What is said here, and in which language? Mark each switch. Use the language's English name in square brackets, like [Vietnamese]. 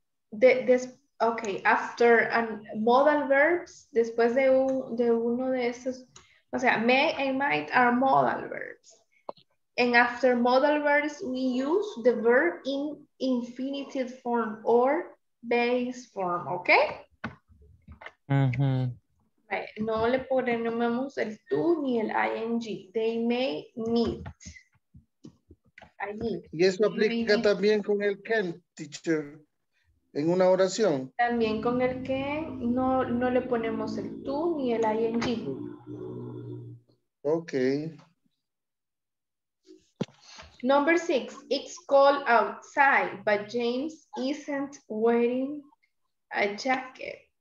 [English] This okay. After an modal verbs, [Spanish] después de uno de esos, o sea, [English] may and might are modal verbs. And after modal verbs, we use the verb in infinitive form or base form. Okay. Mm-hmm. Right. [Spanish] No le ponemos el tú ni el ing. [English] They may meet. [Spanish] Allí. Y eso aplica también con el can, teacher, en una oración. También con el que no le ponemos el tú ni el ing. [English] Okay. Number six. It's cold outside, but James isn't wearing a jacket.